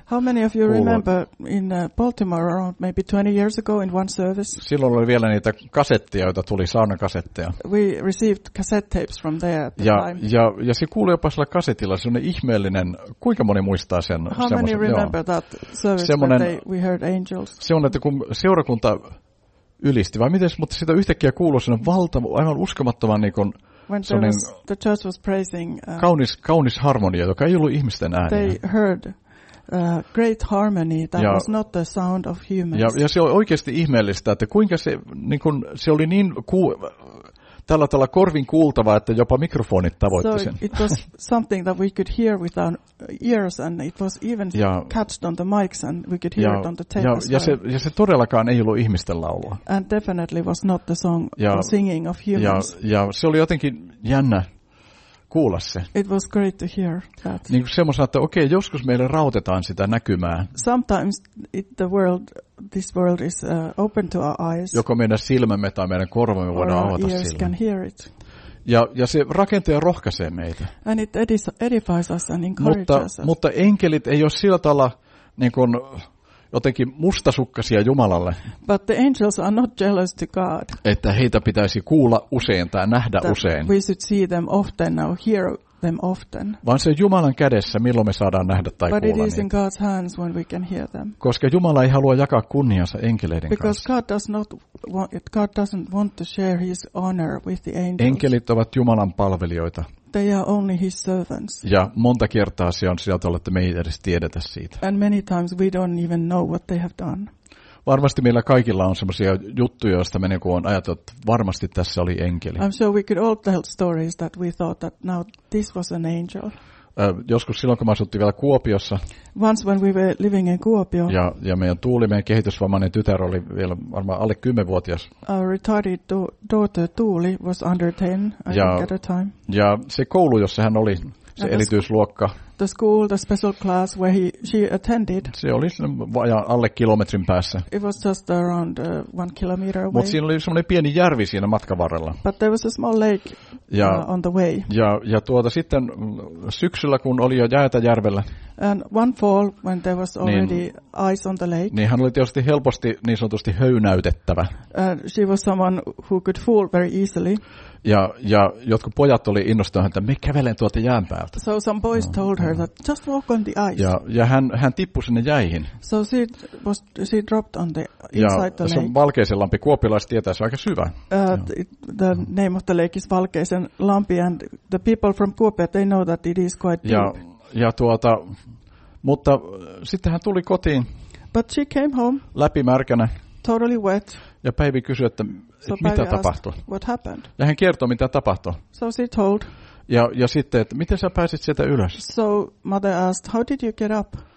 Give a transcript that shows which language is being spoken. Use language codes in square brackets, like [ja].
[en] How many of you remember in Baltimore around maybe 20 years ago in one service? [fi] Silloin oli vielä niitä kasetteja, joita tuli, saunakasetteja. [en] We received cassette tapes from there at the [fi] ja, [en] time. [fi] Ja se kuului jopa sillä kasetilla, semmoinen ihmeellinen, kuinka moni muistaa sen? [en] How many remember that service semmoinen, when we heard angels? [fi] Semmoinen, että kun seurakunta ylisti, vai miten, mutta sitä yhtäkkiä kuului semmoinen valtava, aivan uskomattoman niin kuin [en] when there was, the church was praising [fi] kaunis harmonia, joka ei ollut ihmisten ääniä. [en] They heard great harmony that ja, was not the sound of humans. [fi] Ja se on oikeasti ihmeellistä, että kuinka se niin kun, se oli niin tällä tavalla korvin kuultava, että jopa mikrofonit tavoitti sen. [en] So it was something that we could hear with our ears and it was even ja, catched on the mics and we could hear ja, it on the tape [fi] ja, [en] as [fi] ja [en] well. [fi] Se todellakaan ei ollut ihmisten laulua. [en] And definitely was not the song ja, the singing of humans. [fi] Ja se oli jotenkin jännä kuulla se. [en] It was great to hear that. [fi] Niin kuin semmoisena, että okei, joskus meille rautetaan sitä näkymää. [en] Sometimes this world is open to our eyes. [fi] Joko meidän silmämme tai meidän korvamme voidaan avata sille. [en] Or our ears can hear it. [fi] Ja se rakentaja rohkaisee meitä. [en] And it edifies us and encourages us. [fi] Mutta enkelit ei ole sillä tavalla niin kuin jotenkin mustasukkaisia Jumalalle. [en] But the angels are not jealous to God. [fi] Että heitä pitäisi kuulla usein tai nähdä [en] that [fi] usein. [en] We should see them often or hear them often. [fi] Vaan se Jumalan kädessä, milloin me saadaan nähdä tai [en] but [fi] kuulla [en] it is in God's hands when we can hear them. [fi] Koska Jumala ei halua jakaa kunniansa enkeleiden [en] because [fi] kanssa. [en] God does not want, God doesn't want to share his honor with the angels. [fi] Enkelit ovat Jumalan palvelijoita. [en] They are only his servants. [fi] Ja monta kertaa se on sieltä ollut, että me ei edes tiedetä siitä. [en] And many times we don't even know what they have done. [fi] Varmasti meillä kaikilla on semmoisia juttuja, joista me niinku on ajatellut, että varmasti tässä oli enkeli. [en] I'm sure we could all tell stories that we thought that now this was an angel. [fi] Joskus silloin, kun me asuttiin vielä Kuopiossa. [en] Once when we were living in Kuopio. [fi] Ja meidän Tuuli, meidän kehitysvammainen tytär oli vielä varmaan alle 10-vuotias. [en] Our retarded daughter Tuuli was under 10 at the time. [fi] Ja se koulu, jossa hän oli, se and erityisluokka. [en] The school, the special class where she attended. [fi] Se oli alle kilometrin päässä. [en] It was just around 1 kilometer away. [fi] Mutta siinä oli semmoinen pieni järvi siinä matkan varrella. [en] But there was a small lake on the way. [fi] Ja tuota sitten syksyllä, kun oli jo jäätä järvellä. [en] And one fall, when there was already ice on the lake. [fi] Niin hän oli tietysti helposti niin sanotusti höynäytettävä. [en] She was someone who could fool very easily. [fi] Ja jotkut pojat oli innostuneet, että me kävelen tuolta jään päältä. [en] So some boys told her that just walk on the ice. [fi] Ja hän tippui sinne jäihin. [en] So she dropped on the inside [fi] ja [en] the lake. [fi] Ja se Valkeisenlampi, kuopilaiset tietää, se on aika syvä. [en] The name of the lake is Valkeisenlampi and the people from Kuopio, they know that it is quite deep. [fi] Ja tuota, mutta sitten hän tuli kotiin. [en] But she came home. [fi] Läpimärkänä. [en] Totally wet. [fi] Ja Päivi kysyi, että mitä tapahtui. [en] What happened? [fi] Ja hän kertoi, mitä tapahtui. [en] So she told. [fi] Ja sitten, että miten sä pääsit sieltä ylös? [en] So mother asked, how did you get up?